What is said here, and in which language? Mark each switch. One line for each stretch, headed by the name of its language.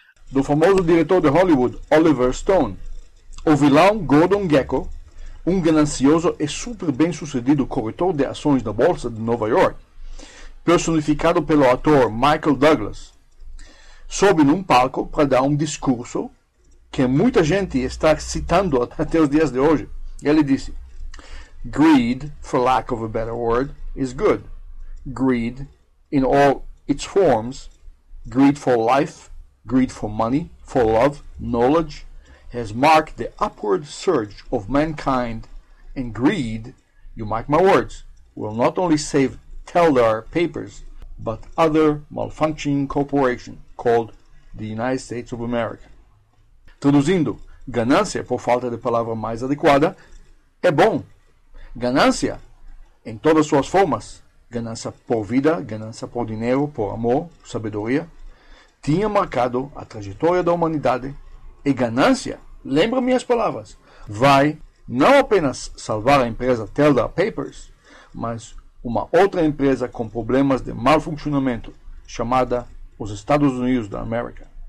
Portuguese: Do famoso diretor de Hollywood, Oliver Stone, o vilão Gordon Gekko, um ganancioso e super bem-sucedido corretor de ações da Bolsa de Nova York, personificado pelo ator Michael Douglas, sobe num palco para dar um discurso que muita gente está citando até os dias de hoje. Ele disse:
English: "Greed, for lack of a better word, is good. Greed, in all its forms, greed for life, greed for money, for love, knowledge, has marked the upward surge of mankind, and greed, you mark my words, will not only save Teller papers, but other malfunctioning corporations called the United States of America."
Portuguese: Traduzindo, ganância, por falta de palavra mais adequada, é bom. Ganância, em todas suas formas, ganância por vida, ganância por dinheiro, por amor, sabedoria, tinha marcado a trajetória da humanidade, e ganância, lembra-me as palavras, vai não apenas salvar a empresa Teller Papers, mas uma outra empresa com problemas de mau funcionamento, chamada os Estados Unidos da América.